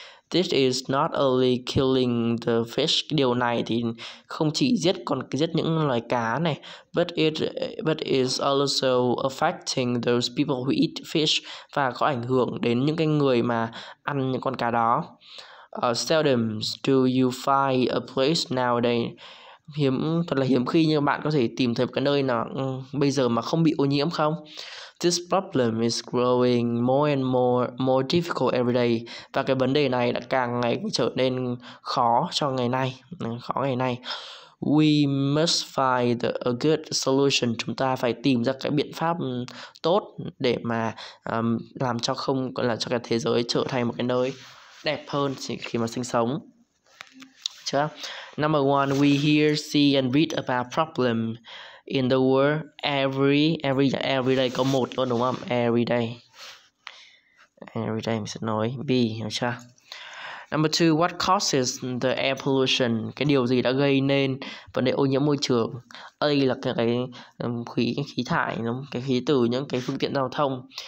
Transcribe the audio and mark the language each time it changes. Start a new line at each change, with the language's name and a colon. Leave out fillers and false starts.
English: This is not only killing the fish.
Vietnamese: Điều này thì không chỉ giết những loài cá này,
English: but it is also affecting those people who eat fish,
Vietnamese: và có ảnh hưởng đến những cái người mà ăn những con cá đó.
English: Seldom do you find a place nowadays.
Vietnamese: Thật là hiếm khi như bạn có thể tìm thấy một cái nơi nào bây giờ mà không bị ô nhiễm không.
English: This problem is growing more and more difficult every day.
Vietnamese: Và cái vấn đề này đã càng ngày trở nên khó ngày nay.
English: We must find a good solution.
Vietnamese: Chúng ta phải tìm ra cái biện pháp tốt để mà làm cho không gọi là cho cái thế giới trở thành một cái nơi đẹp hơn khi mà sinh sống. Chưa?
English: Number one, we hear, see and read about problem in the world every day.
Vietnamese: Có một luôn đúng không?
English: Every day
Vietnamese: mình sẽ nói B, được chưa?
English: Number two, what causes the air pollution?
Vietnamese: Cái điều gì đã gây nên vấn đề ô nhiễm môi trường? A là cái khí thải, đúng không? Cái khí từ những cái phương tiện giao thông.